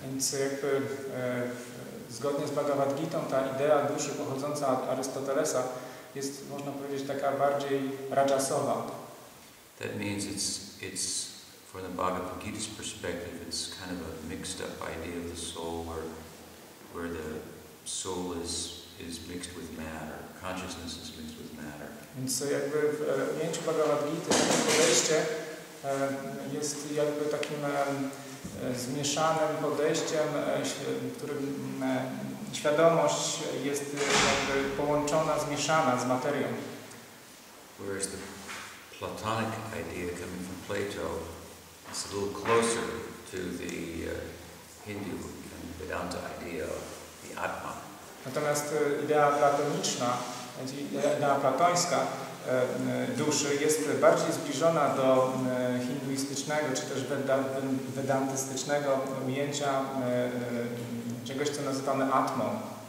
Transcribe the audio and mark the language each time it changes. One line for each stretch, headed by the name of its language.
Polish: Więc jakby zgodnie z Bhagavad Gita ta idea duszy pochodząca od Arystotelesa jest, można powiedzieć, taka bardziej rajasowa.
English: That means it's from the Bhagavad Gita's perspective, it's kind of a mixed up idea of the soul where the soul is mixed with matter, consciousness is mixed with matter.
Polish: Więc jakby w ujęciu Bhagavad Gita to podejście jest jakby takim zmieszanym podejściem, w którym świadomość jest jakby połączona, zmieszana z materią.
English: Whereas the Platonic idea coming from Plato is a little closer to the Hindu and Vedanta idea of the Atma.
Polish: Natomiast idea platoniczna, idea platońska duszy jest bardziej zbliżona do hinduistycznego czy też wedantystycznego ujęcia czegoś, co nazywamy Atmą.